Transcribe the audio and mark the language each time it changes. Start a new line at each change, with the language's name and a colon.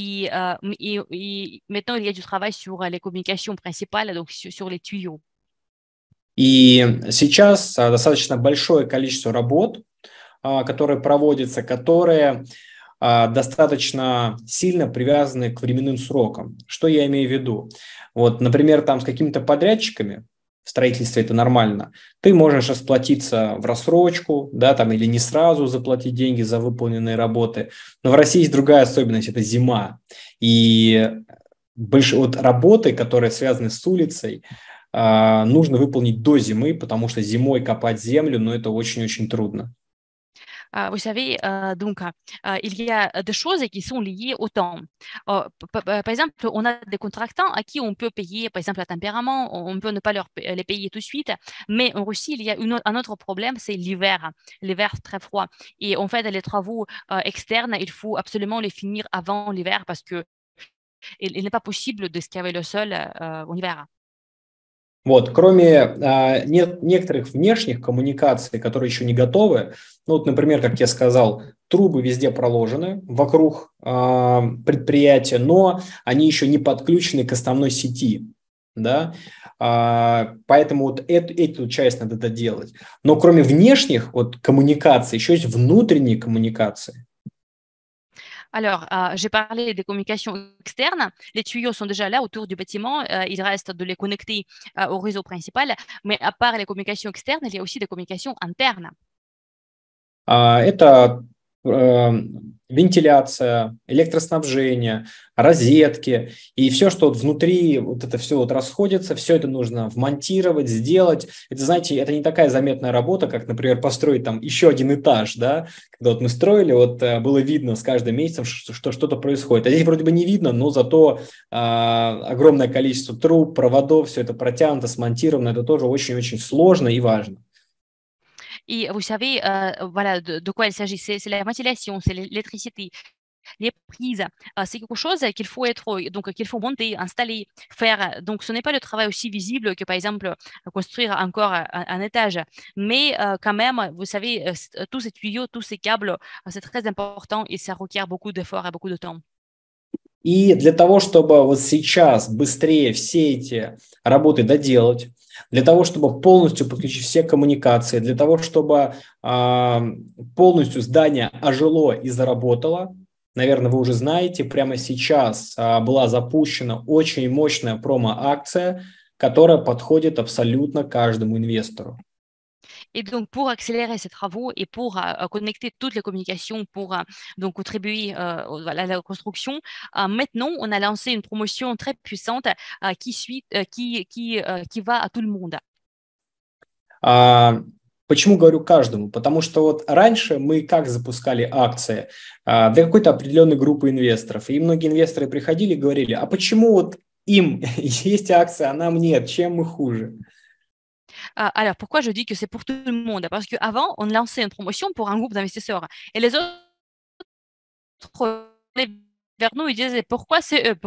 French: Et maintenant il y a du travail sur les communications principales, donc sur les tuyaux.
Russian: Et сейчас достаточно большое количество работ, которые проводятся, которые достаточно сильно привязаны к временным срокам. Что я имею в виду? Вот, например, там с какими-то подрядчиками, в строительстве это нормально, ты можешь расплатиться в рассрочку, да, там, или не сразу заплатить деньги за выполненные работы. Но в России есть другая особенность, это зима. И больше вот работы, которые связаны с улицей, нужно выполнить до зимы, потому что зимой копать землю, ну, это очень-очень трудно.
French: Vous savez, il y a des choses qui sont liées au temps. Par exemple, on a des contractants à qui on peut payer, par exemple, à tempérament, on peut ne pas les payer tout de suite. Mais en Russie, il y a un autre problème, c'est l'hiver. L'hiver très froid. Et en fait, les travaux externes, il faut absolument les finir avant l'hiver parce qu'il n'est pas possible d'excaver le sol en hiver.
Russian: Вот, кроме некоторых внешних коммуникаций, которые еще не готовы, ну вот, например, как я сказал, трубы везде проложены вокруг предприятия, но они еще не подключены к основной сети, да, поэтому вот эту часть надо доделать. Но кроме внешних вот коммуникаций еще есть внутренние коммуникации.
French: Alors, j'ai parlé des communications externes. Les tuyaux sont déjà là autour du bâtiment. Il reste de les connecter au réseau principal. Mais à part les communications externes, il y a aussi des communications internes.
Russian: Это вентиляция, электроснабжение, розетки. И все, что вот внутри, вот это все вот расходится, все это нужно вмонтировать, сделать. Это, знаете, это не такая заметная работа, как, например, построить там еще один этаж, да? Когда вот мы строили, вот было видно с каждым месяцем, что что-то происходит. А здесь вроде бы не видно, но зато огромное количество труб, проводов, все это протянуто, смонтировано. Это тоже очень-очень сложно и важно.
French: Et vous savez, voilà, de quoi il s'agit. C'est la ventilation, c'est l'électricité, les prises. C'est quelque chose qu'il faut être, donc qu'il faut monter, installer, faire. Donc, ce n'est pas le travail aussi visible que, par exemple, construire encore un étage. Mais quand même, vous savez, tous ces tuyaux, tous ces câbles, c'est très important et ça requiert beaucoup d'efforts et beaucoup de temps.
Russian: И для того, чтобы вот сейчас быстрее все эти работы доделать, для того, чтобы полностью подключить все коммуникации, для того, чтобы полностью здание ожило и заработало, наверное, вы уже знаете, прямо сейчас была запущена очень мощная промо-акция, которая подходит абсолютно каждому инвестору.
French: Et donc, pour accélérer ces travaux et pour connecter toutes les communications pour donc contribuer à la construction, maintenant, on a lancé une promotion très puissante qui va à tout le monde.
Russian: Почему говорю каждому? Потому что вот раньше мы как запускали акции для какой-то определенной группы инвесторов. И многие инвесторы приходили и говорили, а почему вот им есть акции, а нам нет? Чем мы хуже?
French: Alors, pourquoi je dis que c'est pour tout le monde? Parce qu'avant, on lançait une promotion pour un groupe d'investisseurs. Et les autres venaient vers nous et disaient, pourquoi c'est eux?